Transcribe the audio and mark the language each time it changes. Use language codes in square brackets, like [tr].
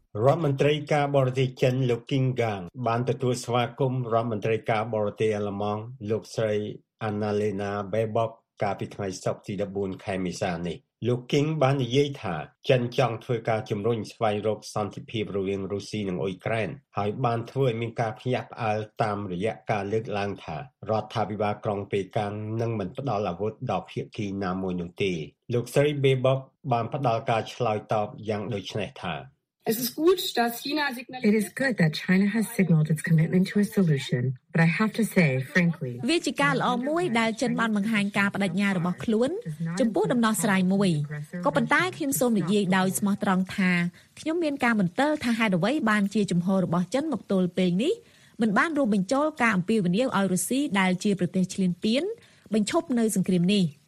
[km] រដ្ឋមន្ត្រីការបរទេសចិនលោកគីងកាំងបានទទួលស្វាគមន៍រដ្ឋមន្ត្រីការបរទេសអាល្លឺម៉ង់លោកស្រីអានាឡេណាបេបុកកាលពីថ្ងៃសុក្រទី14ខែមេសានេះលោកគីងបាននិយាយថាចិនចង់ធ្វើការជំរុញស្វែងរកសន្តិភាពរវាងរុស្ស៊ីនិងអ៊ុយក្រែនហើយបានធ្វើឲ្យមានការភ្ញាក់ផ្អើលតាមរយៈការលើកឡើងថារដ្ឋាភិបាលក្រុងប៉េកាំងនឹងមិនផ្ដល់អាវុធដល់ភាគីណាមួយនោះទេលោកស្រីបេបុកបានផ្ដល់ការឆ្លើយតបយ៉ាងដូចនេះថា [en] It is good that China has signaled its commitment to a solution, but I have to say, frankly, [km] វាជាការល្អមួយដែលចិនបានបង្ហាញការបដិញ្ញារបស់ខ្លួនចំពោះដំណោះស្រាយមួយក៏ប៉ុន្តែខ្ញុំសូមនិយាយដោយស្មោះត្រង់ថាខ្ញុំមានការមន្ទិលថាហេតុអ្វីបានជាជំហររបស់ចិនមកទល់ពេលនេះមិនបានរួមបញ្ចូលការអំពាវនាវឲ្យរុស្ស៊ីដែលជាប្រទេសឈ្លានពានបញ្ឈប់នៅសង្គ្រាមនេះ